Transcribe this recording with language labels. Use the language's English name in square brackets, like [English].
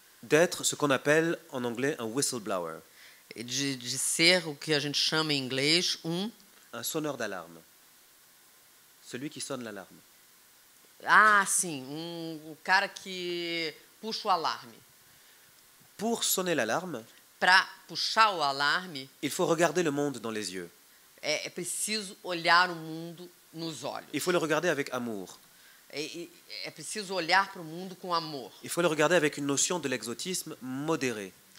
[French] D'être ce qu'on appelle en anglais un whistleblower. [Portuguese] De ser o que a gente chama em inglês [French] un sonneur d'alarme. Celui qui sonne l'alarme. [Portuguese] Ah, sim, o cara que puxa o alarme. [French] Pour sonner l'alarme. [Portuguese] Para puxar o alarme. [French] Il faut regarder le monde dans les yeux. [Portuguese] É preciso olhar o mundo nos olhos. [French] Il faut le regarder avec amour. [Portuguese] É preciso olhar para o mundo com amor. [French] Il faut le regarder avec une notion de l'exotisme modéré.